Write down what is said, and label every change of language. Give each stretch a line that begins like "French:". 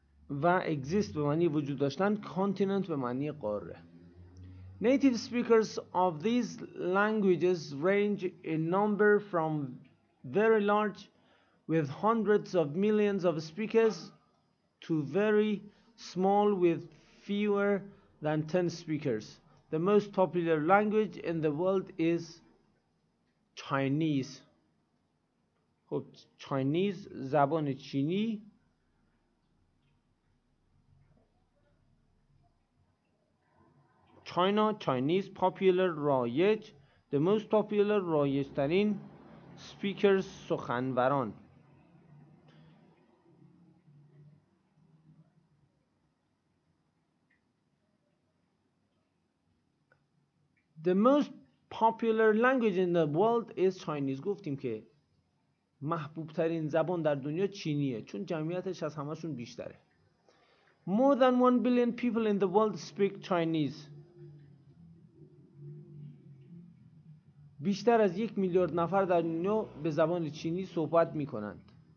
Persian: و exist به معنی وجود داشتن، continent به معنی قاره.
English: Native speakers of these languages range in number from very large with hundreds of millions of speakers to very small with fewer than 10 speakers. The most popular language in the world is Chinese. خب Chinese زبان چینی China Chinese popular رایج the most popular رایجترین speakers سخنوران The most popular language in the world is Chinese.
Persian: گفتیم که محبوب ترین زبان در دنیا چینیه چون جمعیتش از همشون بیشتره.
English: More than 1 billion people in the world speak Chinese.
Persian: بیشتر از 1 میلیارد نفر در دنیا به زبان چینی صحبت میکنند.